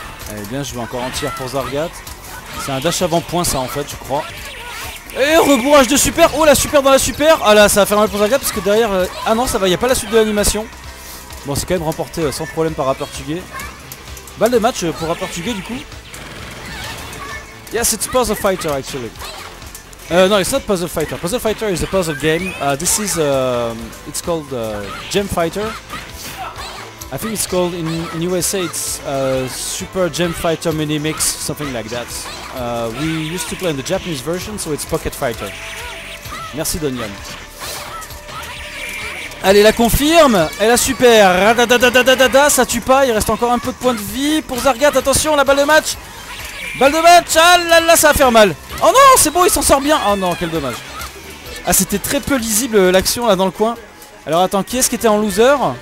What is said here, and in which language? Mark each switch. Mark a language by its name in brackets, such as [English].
[French] Allez bien, je vais encore en tir pour Zargat. C'est un dash avant point ça en fait, je crois. Et rebourrage de super. Oh la super dans la super. Ah là, ça va faire mal pour Zargat parce que derrière... Ah non, ça va, il n'y a pas la suite de l'animation. Bon, c'est quand même remporté sans problème par Rappeur Tugé. Balle de match pour Rappeur Tugé du coup. [English] Yes, it's Puzzle Fighter actually. No, it's not Puzzle Fighter. Puzzle Fighter is a puzzle game. This is... it's called Gem Fighter. I think it's called in USA, it's Super Gem Fighter Mini Mix, something like that. We used to play in the Japanese version, so it's Pocket Fighter. [French] Merci Donyan. Allez, la confirme, elle a super, radadadadadada, ça tue pas, il reste encore un peu de points de vie pour Zargat, attention, la balle de match. Balle de match, ah là là, ça va faire mal. Oh non, c'est bon, il s'en sort bien. Oh non, quel dommage. Ah, c'était très peu lisible l'action là dans le coin. Alors attends, qui est-ce qui était en loser?